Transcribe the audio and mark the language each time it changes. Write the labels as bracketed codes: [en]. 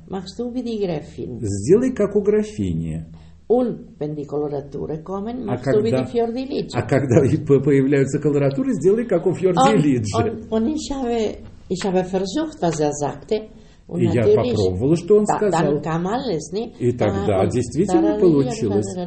[de] Machst du wie die Gräfin. [ru] Сделай, как у графини. [de] Und wenn die Koloratur kommen, machst du wie die Fiordiligi. [ru] А когда появляются колоратуры, сделай, как у Фьорделиджи. [de] Und ich habe versucht, was sagte. [ru] И я попробовала, что он сказал. [de] Dann kam alles, ne? [ru] И тогда действительно получилось.